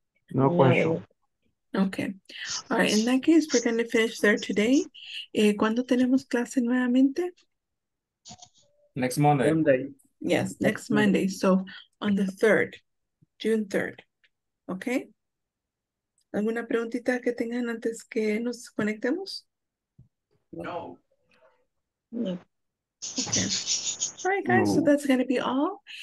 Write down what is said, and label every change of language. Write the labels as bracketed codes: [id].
[en] No question. Okay. All right, in that case, we're going to finish there today. [es] ¿Cuándo tenemos clase nuevamente? [en] Next Monday. Yes, next Monday. So on the 3rd, June 3rd. Okay? [es] ¿Alguna preguntita que tengan antes que nos conectemos? No. [en] Okay. All right, guys, no. So that's going to be all.